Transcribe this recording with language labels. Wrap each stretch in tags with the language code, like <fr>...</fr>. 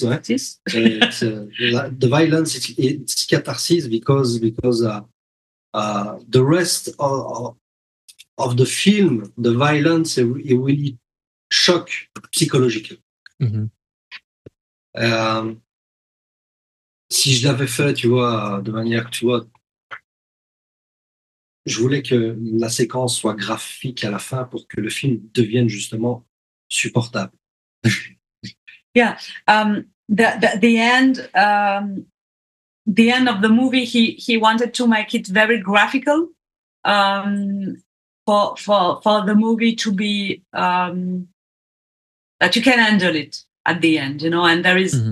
<en>The violence is catharsis because the rest of the film, the violence, it really shock psychologically. Mm-hmm.</en> <fr>Si je l'avais fait, tu vois, de manière que tu vois. Je voulais que la séquence soit graphique à la fin pour que le film devienne justement supportable.</fr> <en>Yeah, the end of the movie, he wanted to make it very graphical for the movie to be that you can handle it at the end, you know. And there is mm-hmm.</en>